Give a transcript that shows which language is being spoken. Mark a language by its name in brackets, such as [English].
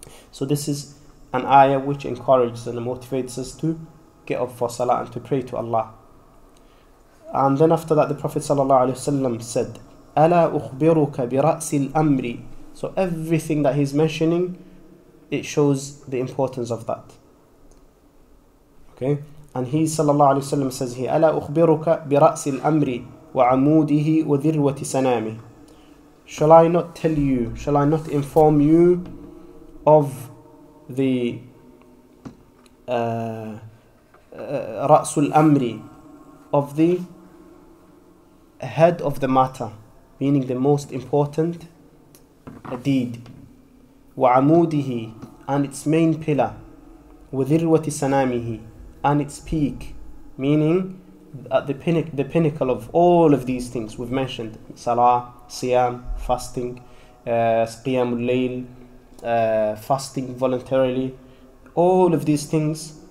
[English] So this is an ayah which encourages and motivates us to get up for salah and to pray to Allah. And then after that, the Prophet ﷺ said, [Arabic] أَلَا أُخْبِرُكَ بِرَأْسِ الْأَمْرِ. [English] So everything that he's mentioning, it shows the importance of that. Okay? And he ﷺ says here, [Arabic] أَلَا أُخْبِرُكَ بِرَأْسِ الْأَمْرِ وَعَمُودِهِ وَذِرْوَةِ سَنَامِهِ. [English] Shall I not tell you, shall I not inform you of the [Arabic] رأس الأمر, [English] of the head of the matter, meaning the most important deed, وعموده, and its main pillar, [Arabic] وذروة سنامه, [English] and its peak, meaning at the pinnacle of all of these things we've mentioned, salah, siyam, fasting, qiyam al-layl, fasting voluntarily, all of these things.